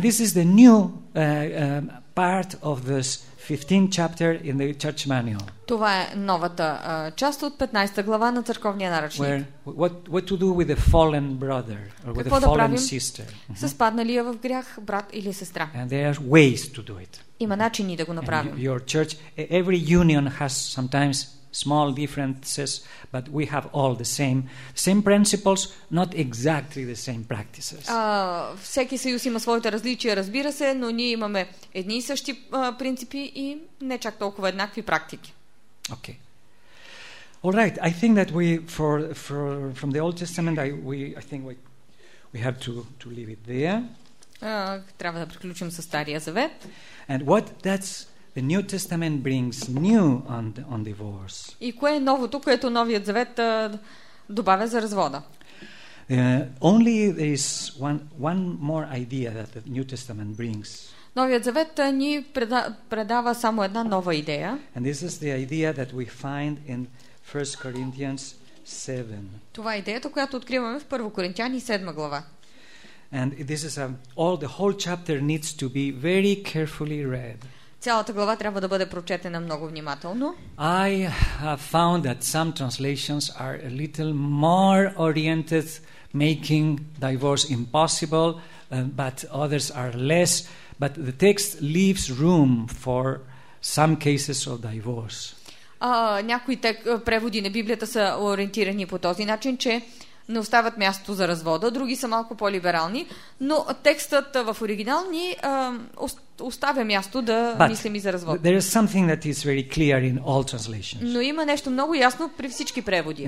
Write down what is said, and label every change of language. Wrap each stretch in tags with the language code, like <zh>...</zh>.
<en>And this is the new part of this 15th chapter in the church manual.</en> <bg>Това е новата част от 15-та глава на църковния наръчник.</bg> <en>Where, what to do with a fallen brother or with</en> <bg>какво</bg> <en>a fallen sister?</en> <bg>Със падналия в грях брат или сестра.</bg> <en>And there are ways to do it.</en> <bg>Има начини да го направим.</bg> <en>And your church, every union has sometimes small differences, but we have all the same principles, not exactly the same practices.</en> <bg>Всеки съюз има своите различия, разбира се, но ние имаме едни и същи принципи и не чак толкова еднакви практики.</bg> <en>Okay. All right. I think that we from the Old Testament, I think we have to leave it there.</en> <bg>Трябва да приключим със Стария Завет.</bg> <en>And what that's the New Testament brings new on divorce.</en> <bg>И кое е новото, което Новият Завет добавя за развода?</bg> <en>Only there is one more idea that the New Testament brings.</en> <bg>Новият Завет ни предава само една нова идея.</bg> <en>And this is the idea that we find in 1 Corinthians 7.</en> <bg>Това е идеята, която откриваме в 1 Коринтияни 7 глава.</bg> <en>And this is the whole chapter needs to be very carefully read.</en> <bg>Цялата глава трябва да бъде прочетена много внимателно.</bg> <en>I have found that some translations are a little more oriented making divorce impossible, but others are less, but the text leaves room for some cases of divorce.</en> <bg>Някои преводи на Библията са ориентирани по този начин, че не остават място за развода, други са малко по-либерални, но текстът в оригинал ни оставя място да мислим и за развод.</bg> <en>There is something that is very clear in all translations.</en> <bg>Но има нещо много ясно при всички преводи.</bg>